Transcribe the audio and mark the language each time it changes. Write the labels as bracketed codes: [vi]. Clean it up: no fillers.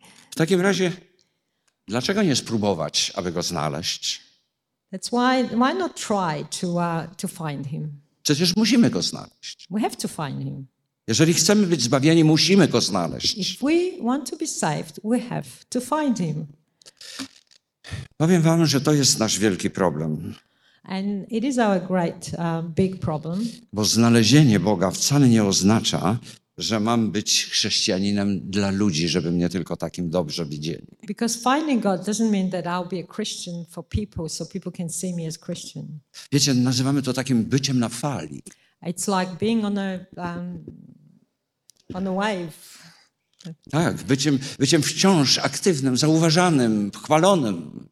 [pl] W takim razie, dlaczego nie spróbować, aby go znaleźć? [en] That's why not try to find him. [pl] Przecież musimy go znaleźć. [en] We have to find him. [pl] Jeżeli chcemy być zbawieni, musimy go znaleźć. [en] If we want to be saved, we have to find him. [pl] Powiem wam, że to jest nasz wielki problem. [en] And it is our great big problem. [pl] Bo znalezienie Boga wcale nie oznacza, że mam być chrześcijaninem dla ludzi, żeby mnie tylko takim dobrze widzieli. [en] Because finding God doesn't mean that I'll be a Christian for people, so people can see me as Christian. [pl] Wiecie, nazywamy to takim byciem na fali. [en] It's like being on a wave. [pl] Tak, byciem wciąż aktywnym, zauważanym, chwalonym.